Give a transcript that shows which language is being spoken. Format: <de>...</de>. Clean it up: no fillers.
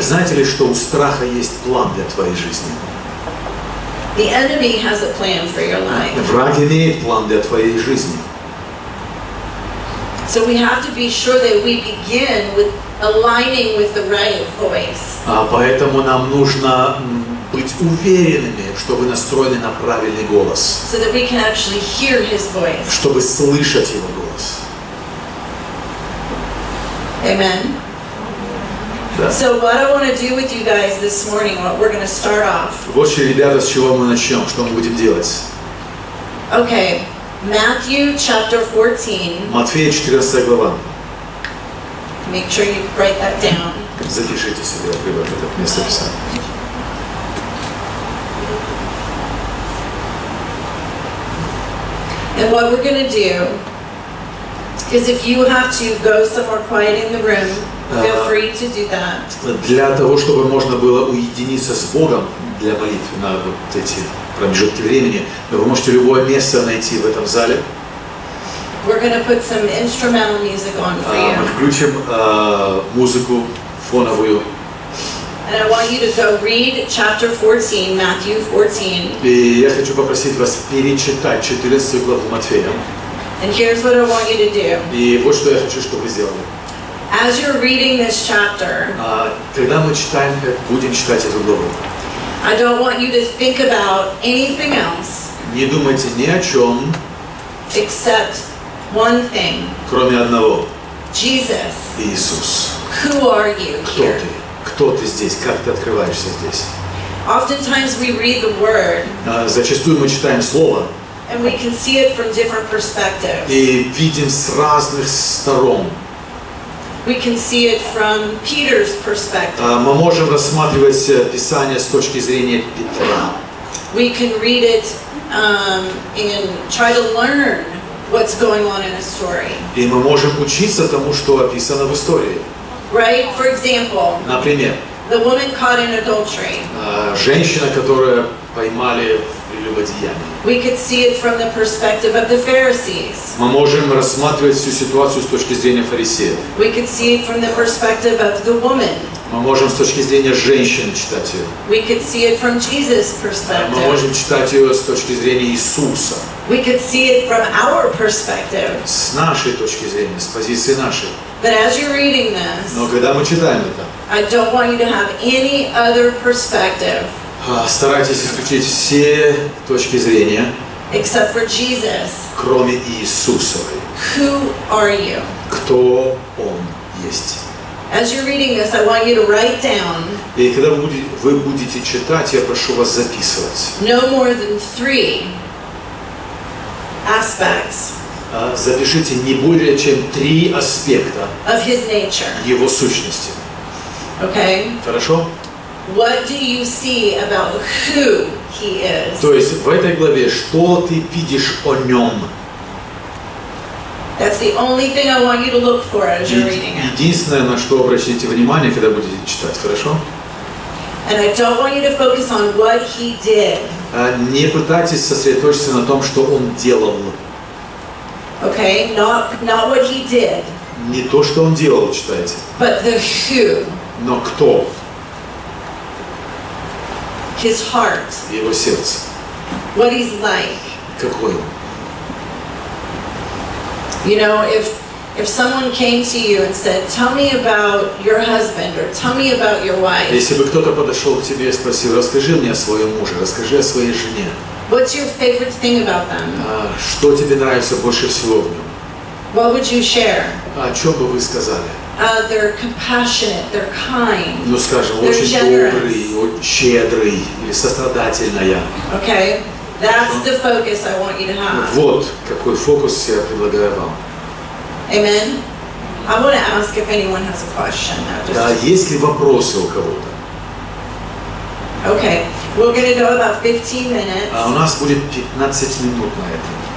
<ru>Знаете ли, что у страха есть план для твоей жизни?</ru> <en>The enemy has a plan for your life.</en> <ru>Враг имеет план для твоей жизни.</ru> <en>So we have to be sure that we begin with aligning with the right voice.</en> <ru>Поэтому нам нужно быть уверенными, чтобы настроены на правильный голос.</ru> <en>So that we can actually hear his voice.</en> <ru>Чтобы слышать его голос.</ru> <en>Amen.</en> <ru>Да.</ru> <en>So what I want to do with you guys this morning, what we're going to start off.</en> <ru>Вот что, ребята, с чего мы начнем, что мы будем делать.</ru> <en>Okay, Matthew chapter 14.</en> <ru>Матфея 14 глава.</ru> <en>Make sure you write that down.</en> <ru>Запишите себе, ребята, это место писания.</ru> <en>And what we're going to do. Because if you have to go somewhere quiet in the room, feel free to do that.</en> <ru>Для того, чтобы можно было уединиться с Богом для молитвы на вот эти промежутки времени, вы можете любое место найти в этом зале.</ru> <en>We're going to put some instrumental music on for you.</en> <ru>Мы включим музыку фоновую.</ru> <en>And I want you to go read chapter 14, Matthew 14.</en> <ru>И я хочу попросить вас перечитать 14 главу Матфея.</ru> <en>And here's what I want you to do.</en> <ru>И вот что я хочу, чтобы вы сделали.</ru> <en>As you're reading this chapter,</en> <ru>когда мы читаем, будем читать эту главу,</ru> <en>I don't want you to think about anything else.</en> <ru>Не думайте ни о чем.</ru> <en>Except one thing.</en> <ru>Кроме одного.</ru> <en>Jesus.</en> <ru>Иисус.</ru> <en>Who are you?</en> <ru>Кто ты? Кто ты здесь? Как ты открываешься здесь?</ru> <en>Oftentimes we read the word.</en> <ru>Зачастую мы читаем слово.</ru> <en>And we can see it from different perspectives.</en> <ru>И видим с разных сторон.</ru> <en>We can see it from Peter's perspective.</en> <ru>Мы можем рассматривать Писание с точки зрения Петра.</ru> <en>We can read it and try to learn what's going on in a story.</en> <ru>И мы можем учиться тому, что описано в истории.</ru> <en>Right? For example.</en> <ru>Например.</ru> <en>The woman caught in adultery.</en> <ru>Женщина, которую поймали в прелюбодеянии.</ru> <en>We could see it from the perspective of the Pharisees.</en> <ru>Мы можем рассматривать всю ситуацию с точки зрения фарисеев.</ru> <en>We could see it from the perspective of the woman.</en> <ru>Мы можем с точки зрения женщин читать ее.</ru> <en>We could see it from Jesus' perspective.</en> <ru>Мы можем читать ее с точки зрения Иисуса.</ru> <en>We could see it from our perspective.</en> <ru>С нашей точки зрения, с позиции нашей.</ru> <en>But as you're reading this,</en> <ru>но когда мы читаем это,</ru> <en>I don't want you to have any other perspective.</en> <ru>Старайтесь исключить все точки зрения,</ru> <en>except for Jesus.</en> <ru>Кроме Иисусовой.</ru> <en>Who are you?</en> <ru>Кто Он есть?</ru> <en>As you're reading this, I want you to write down.</en> <ru>И когда вы будете читать, я прошу вас записывать.</ru> <en>No more than three aspects.</en> <ru>Запишите не более чем три аспекта</ru> <en>of his nature.</en> <ru>Его сущности.</ru> <en>Okay.</en> <ru>Хорошо?</ru> <en>What do you see about who he is?</en> <ru>То есть в этой главе что ты видишь о нем?</ru> <en>That's the only thing I want you to look for as you're reading it.</en> <ru>Единственное, на что обращайте внимание, когда будете читать, хорошо?</ru> <en>And I don't want you to focus on what he did.</en> <ru>Не пытайтесь сосредоточиться на том, что он делал.</ru> <en>Okay, not what he did.</en> <ru>Не то, что он делал, читайте.</ru> <en>But the who.</en> <ru>Но кто?</ru> <en>His heart.</en> <ru>Его сердце.</ru> <en>What he's like.</en> <ru>Какой он?</ru> <en>You know, if someone came to you and said, "Tell me about your husband," or "Tell me about your wife."</en> <ru>Если бы кто-то подошел к тебе и спросил, расскажи мне о своем муже, расскажи о своей жене.</ru> <en>What's your favorite thing about them?</en> <ru>Что тебе нравится больше всего в нем?</ru> <en>What would you share?</en> <ru>О чем бы вы сказали?</ru> <en>They're compassionate, they're kind.</en> <ru>Ну, скажем, очень добрый, щедрый или сострадательная.</ru> <en>Okay. That's the focus I want you to have.</en> <ru>Вот какой фокус я предлагаю вам.</ru> <en>Amen. I want to ask if anyone has a question now.</en> <ru>Да, есть ли вопросы у кого-то?</ru> <en>Okay. We're going to go about 15 minutes.</en> <ru>У нас будет 15 минут на это.</ru>